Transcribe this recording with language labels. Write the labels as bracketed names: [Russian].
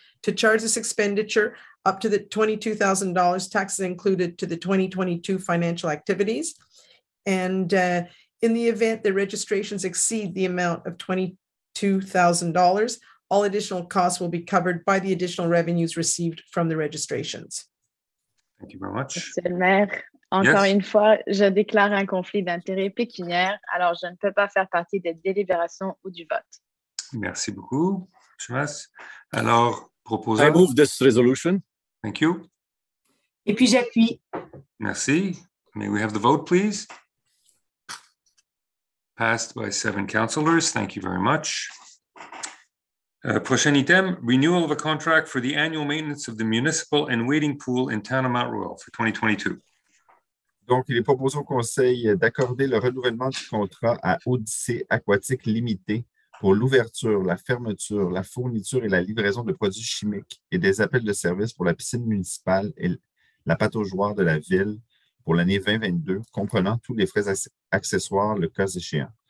[English] To charge this expenditure up to the $22,000 taxes included to the 2022 financial activities. And in the event the registrations exceed the amount of $22,000, all additional costs will be covered by the additional revenues received from the registrations. Thank you very much. [French] Monsieur le maire, encore une fois, je déclare un conflit d'intérêts pécuniaire, alors je ne peux pas faire partie des délibérations ou du vote. Merci beaucoup, Monsieur Mass. Alors, proposer. [English] I move this resolution. Thank you. [French] Et puis j'appuie. Merci. [English] May we have the vote, please? Passed by 7 councillors. Thank you very much. [French] Prochain item, [English] renewal of a contract for the annual maintenance of the municipal and wading pool in town of Mount Royal for 2022. [French] Donc, il est proposé au conseil d'accorder le renouvellement du contrat à Odyssée Aquatique Limitée pour l'ouverture, la fermeture, la fourniture et la livraison de produits chimiques et des appels de services pour la piscine municipale et la pataugeoire de la ville pour l'année 2022, comprenant tous les frais accessoires le cas échéant.